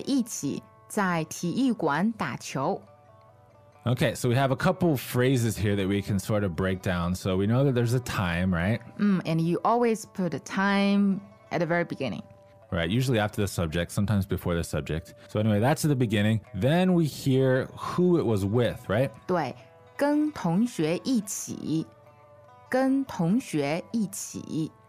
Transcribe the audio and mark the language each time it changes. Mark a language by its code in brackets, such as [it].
[zh] 我晚上跟同学一起在体育馆打球. [en] Okay, so we have a couple phrases here that we can sort of break down. So we know that there's a time, right? And you always put a time at the very beginning. Right, usually after the subject, sometimes before the subject. So anyway, that's at the beginning. Then we hear who it was with, right? [zh] 对,跟同学一起。跟同学一起。